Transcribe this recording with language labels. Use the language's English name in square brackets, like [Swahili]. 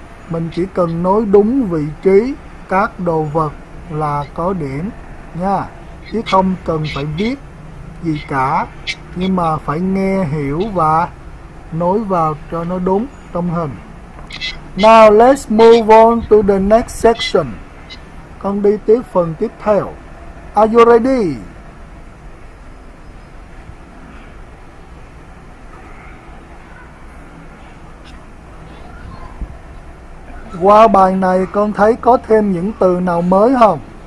[Vietnamese] Mình chỉ cần nối đúng vị trí các đồ vật là có điểm nha, chứ không cần phải viết gì cả, nhưng mà phải nghe hiểu và nối vào cho nó đúng trong hình. [English] Now let's move on to the next section. [Vietnamese] Con đi tiếp phần tiếp theo. [English] Are you ready? [Vietnamese] Qua bài này con thấy có thêm những từ nào mới không?